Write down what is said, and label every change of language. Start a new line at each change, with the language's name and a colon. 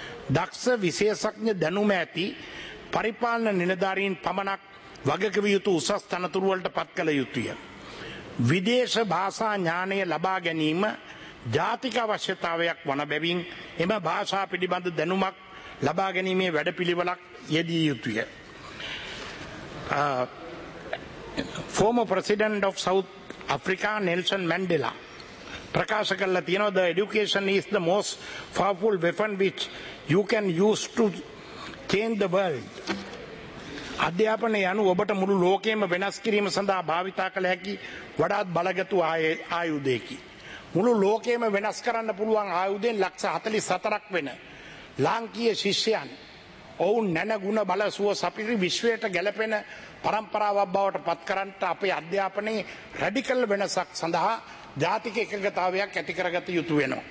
Sinhala: දක්ෂ විශේෂඥ දැනුම ඇති පරිපාලන නිලධාරීන් පමණක් වගකිව යුතු උසස් තනතුරු වලට පත් කළ යුතුය. විදේශ භාෂා ඥානය ලබා ගැනීම ජාතික අවශ්‍යතාවයක් වන බැවින් එම භාෂා පිළිබඳ දැනුමක් ලබා ගැනීමේ වැඩපිළිවෙලක් යෙදිය යුතුය.
English: Former President of South Africa Nelson Mandela
Sinhala: ප්‍රකාශ කළ තියෙනවා
English: the education is the most powerful weapon which you can use to change the world.
Sinhala: අධ්‍යාපනය යනු ඔබට මුළු ලෝකයේම වෙනස් කිරීම සඳහා භාවිතා කළ හැකි වඩාත් බලගත් ආයුධයකි. මුළු ලෝකයේම වෙනස් කරන්න පුළුවන් ආයුධෙන් ලක්ෂ 44ක් වෙන ලාංකීය ශිෂ්‍යයන් ඔවුන් නැන ගුණ බල සුව සපිරි විශ්වයට ගැලපෙන පරම්පරාවක් බවට පත් කරන්නට අපේ අධ්‍යාපනයේ රැඩිකල් වෙනසක් සඳහා ජාතික එකඟතාවයක් ඇති කරගත යුතු වෙනවා.